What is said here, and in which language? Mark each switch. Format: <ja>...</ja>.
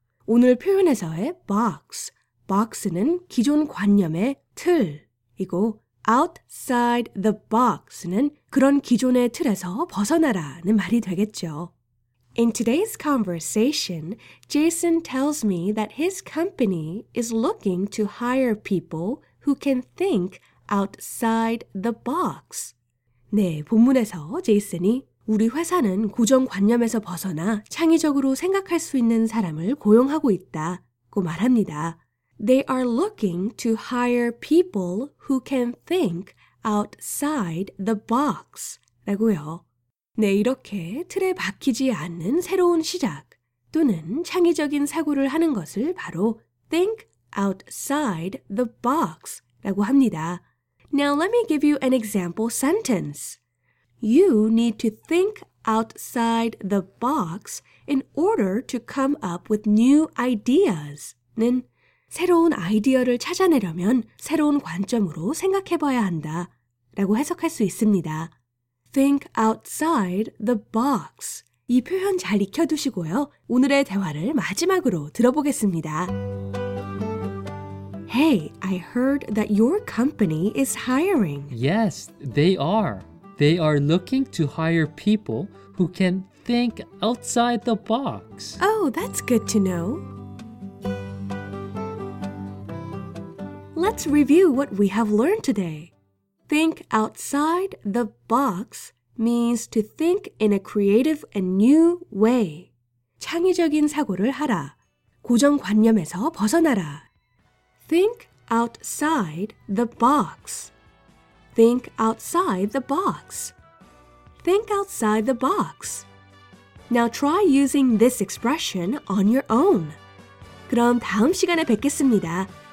<ko>오늘 표현에서의 box, box는 기존 관념의 틀이고 outside the box는 그런 기존의 틀에서 벗어나라는 말이 되겠죠.</ko> <en>In today's conversation, Jason tells me that his company is looking to hire people who can think outside the box.</en> <ko>네, 본문에서 제이슨이 우리 회사는 고정관념에서 벗어나 창의적으로 생각할 수 있는 사람을 고용하고 있다고 말합니다.</ko> <en>They are looking to hire people who can think outside the box.</en> <ko>라고요. 네, 이렇게 틀에 박히지 않는 새로운 시작 또는 창의적인 사고를 하는 것을 바로 think outside the box 라고 합니다.</ko> <en>Now let me give you an example sentence. You need to think outside the box in order to come up with new ideas.</en> <ko>는 새로운 아이디어를 찾아내려면 새로운 관점으로 생각해봐야 한다 라고 해석할 수 있습니다.</ko> <en>Think outside the box.</en> <ko>이 표현 잘 익혀두시고요. 오늘의 대화를 마지막으로 들어보겠습니다.</ko> <en>Hey, I heard that your company is hiring. Yes, they are. They are looking to hire people who can think outside the box. Oh, that's good to know. Let's review what we have learned today. Think outside the box means to think in a creative and new way.</en> <ko>창의적인 사고를 하라. 고정관념에서 벗어나라.</ko> <en>Think outside the box. Think outside the box. Think outside the box. Now try using this expression on your own.</en> <ko>그럼 다음 시간에 뵙겠습니다.</ko>